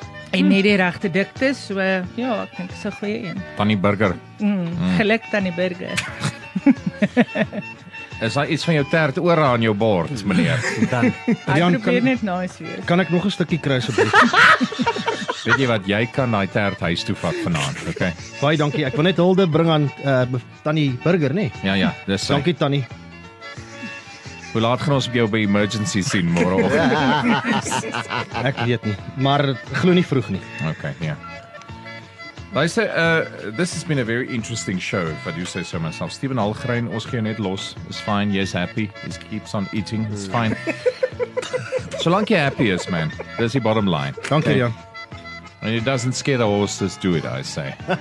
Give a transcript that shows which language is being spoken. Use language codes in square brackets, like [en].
[af] En nie die regte dikte, so ja, ek dink is 'n goeie een. Tanny Burger. Geluk, Tanny Burger. Is daar iets van jou taart oor aan jou bord, meneer? Dan. Ek probeer net nice wees. Kan ek nog 'n stukkie kruis op? Weet jy wat, jy kan daai taart huis toe vat vanaand, okay? Baie dankie, ek wil net hulde bring aan Tanny Burger, nee? Ja, dis sy. Dankie, Tanny. Hoe laat gaan ons op jou by emergency sien, morgenochtend? Ek weet nie, maar glo nie vroeg nie. Okay, ja. Luister, [en] this has been a very interesting show, if I do say so myself. Steven Algrein, [af] ons gee net los. [en] It's fine, yes, happy. He keeps on eating, it's fine. [af] Solank jy happy is, man. [en] That's the bottom line. [af] Dankie, Jan. [en] And it doesn't scare the horses, do it, I say.